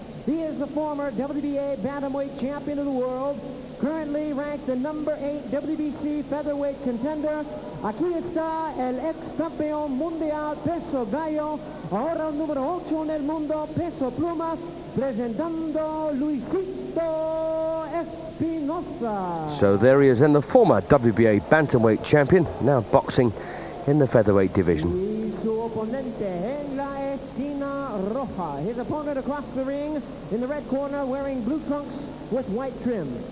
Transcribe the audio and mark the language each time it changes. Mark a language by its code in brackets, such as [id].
[en] He is the former WBA bantamweight champion of the world, currently ranked the number 8 WBC featherweight contender. [es] Aquí está el ex campeón mundial peso gallo, ahora el número 8 en el mundo peso pluma, presentando Luisito Espinoza. [en] So there he is, and the former WBA bantamweight champion, now boxing in the featherweight division. [es] Y su oponente en la esquina roja. [en] His opponent across the ring, in the red corner, wearing blue trunks with white trim.